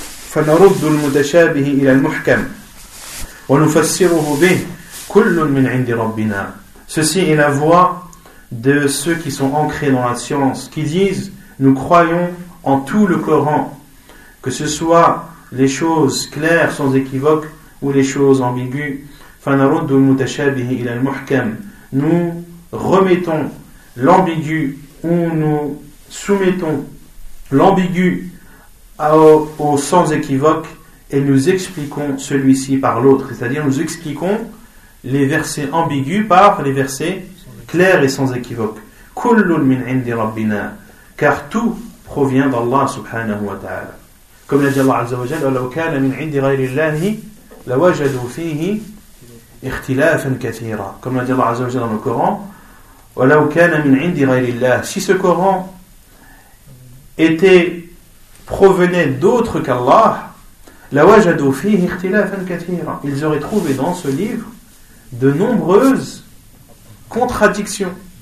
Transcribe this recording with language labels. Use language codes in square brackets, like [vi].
[ar] فنرد المتشابه إلى المحكم ونفسره به كل من عند ربنا. [fr] Ceci est la voix de ceux qui sont ancrés dans la science, qui disent, nous croyons en tout le Coran, que ce soit les choses claires sans équivoque ou les choses ambiguës. [ar] فَنَرُدُّ الْمُتَشَابِهِ إِلَى الْمُحْكَمِ. [fr] Nous remettons l'ambigu, ou nous soumettons l'ambigu au sans équivoque, et nous expliquons celui-ci par l'autre. C'est-à-dire, nous expliquons les versets ambigus par les versets clairs et sans équivoque. [ar] كُلُّ مِنْ عِنْدِ رَبِّنَا. [fr] Car tout provient d'Allah subhanahu wa ta'ala. Comme l'a dit Allah Azza wa Jalla, [ar] وَلَوْ كَانَ مِنْ عِنْدِ غَيْرِ اللَّهِ لَوَجَدُوا فِيهِ اِخْتِلَافًا كَثِيرًا. [fr] Comme l'a dit Allah Azza wa Jalla dans le Coran, [ar] وَلَوْ كَانَ مِنْ عِنْدِ غَيْرِ اللَّهِ. [fr] Si ce Coran provenait d'autre qu'Allah, [ar] لَوَجَدُوا فِيهِ اِخْتِلَافًا كَثِيرًا. [fr] Ils auraient trouvé dans ce livre de nombreuses contradictions.